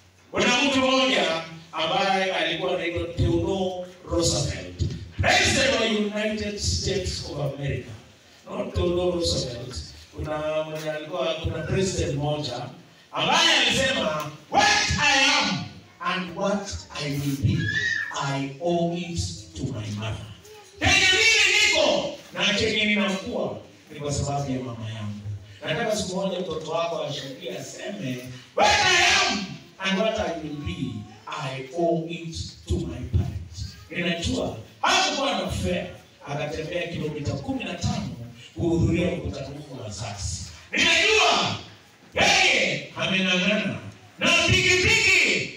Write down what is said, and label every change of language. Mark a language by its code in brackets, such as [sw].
[sw] Kuna mtu mmoja ambaye alikuwa anaitwa Theodore Roosevelt, [en] President of the United States of America. [sw] Not Theodore Roosevelt. Kuna mmoja alikuwa kuna president mmoja ambaye alisema, [en] what I am and what I will be, I owe it to my mother. [sw] Tenye mimi niko na chenye ninakuwa ni kwa sababu ya mama yangu. Nataka siku moja mtoto wako ashikie aseme, [en] "What I am and what I will be, I owe it to my parents." [sw] Ninajua hakuwa na fare, akatembea kilomita 15 kuhudhuria mkutano wa wazazi. Ninajua yeye amenang'ana na pikipiki